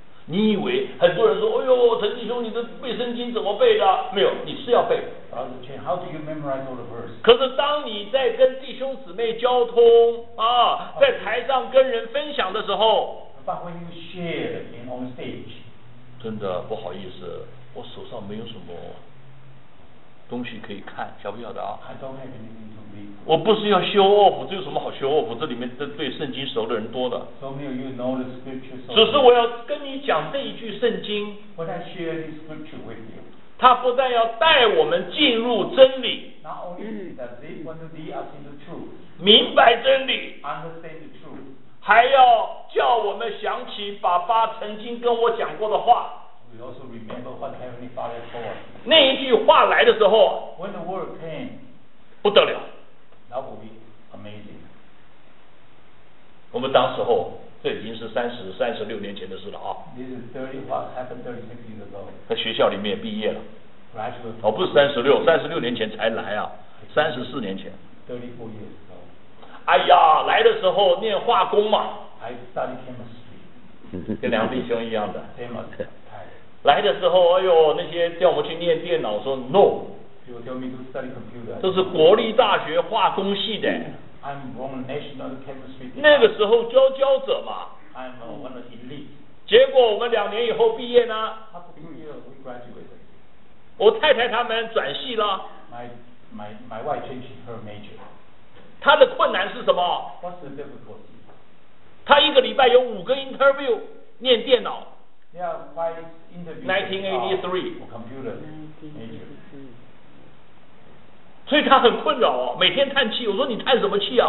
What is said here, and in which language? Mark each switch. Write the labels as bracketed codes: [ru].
[zh] 你以为很多人说，哎呦，陈弟兄，你的背圣经怎么背的？没有，你是要背。 [en] How do you memorize all the verse? [zh] 可是当你在跟弟兄姊妹交通啊，在台上跟人分享的时候 [en] ，But when you share in on stage, [zh] 真的不好意思，我手上没有什么东西可以看，晓不晓得啊 [en] ？I don't have anything to read. [zh] 我不是要 [en] show off， [zh] 这有什么好 show off？ 这里面对圣经熟的人多的。 [en] So many of you know the scriptures. [zh] 只是我要跟你讲这一句圣经。 [en] But I share this scripture with you. [zh] 他不但要带我们进入真理 [en] Not only that they want to lead us into truth, [zh] 明白真理 [en] understand the truth, [zh] 还要叫我们想起爸爸曾经跟我讲过的话 [en] We also remember what Heavenly Father told us. [zh] 那一句话来的时候 [en] When the word came, [zh] 不得了 [en] That would be amazing. [zh] 我们当时候这已经是三十六年前的事了啊。 [en] This is 31, happened 36 years ago. [zh] 在学校里面毕业了。 [en] Graduated. [zh] 哦，不是36，36年前才来啊，34年前。 [en] 34 years ago. [zh] 哎呀，来的时候念化工嘛。 [en] I study chemistry. [zh] 跟梁弟兄一样的。 [en] Chemistry. [zh] 来的时候，哎呦，那些叫我去念电脑，说 [en] no。 People tell me to study computer. [zh] 这是国立大学化工系的。 [en] I'm from National Chemistry. [zh] 那个时候佼佼者嘛。 [en] I'm one of the elite. [zh] 结果我们两年以后毕业呢。 [en] After 2 years, we graduated. [zh] 我太太他们转系了。 [en] My wife changed her major. [zh] 她的困难是什么 [en] ？What's the difficulty? [zh] 她一个礼拜有五个 interview， 念电脑。 [en] Yeah, five interviews. 1983. For computer major. [zh] 所以他很困扰哦，每天叹气。我说你叹什么气啊？